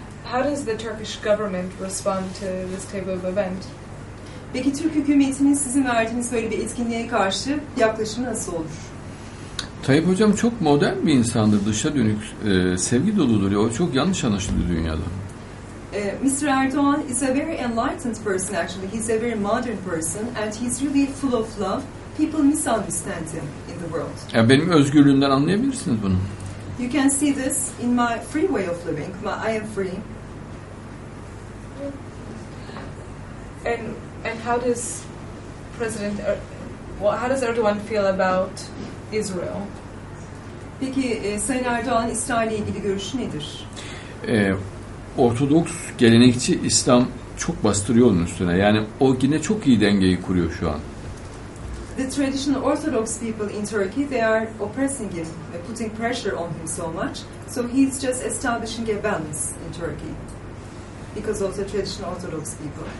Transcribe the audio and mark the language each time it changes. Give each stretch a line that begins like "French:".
English: How does the Turkish government respond to this type of event?
Turkish: Peki Türk hükümetinin sizin verdiğiniz böyle bir etkinliğe karşı yaklaşımı nasıl olur? Tayyip Hocam çok modern bir insandır, dışa dönük, sevgi doludur. O çok yanlış anlaşıldı dünyada.
English: Mr. Erdoğan is a very enlightened person actually. He's a very modern person and he's really full of love. People misunderstand him in the world.
Turkish: Yani benim özgürlüğümden anlayabilirsiniz bunu.
English: You can see this in my free way of living. I am free. And how does President how does Erdoğan feel about Israel?
Turkish: Peki Sayın Erdoğan İsrail'le ilgili görüşü nedir? Ortodoks gelenekçi İslam çok bastırıyor onun üstüne. Yani o yine çok iyi dengeyi kuruyor şu an.
English: The traditional Orthodox people in Turkey, they are oppressing him, putting pressure on him so much. So he's just establishing a balance in Turkey because of the traditional Orthodox people.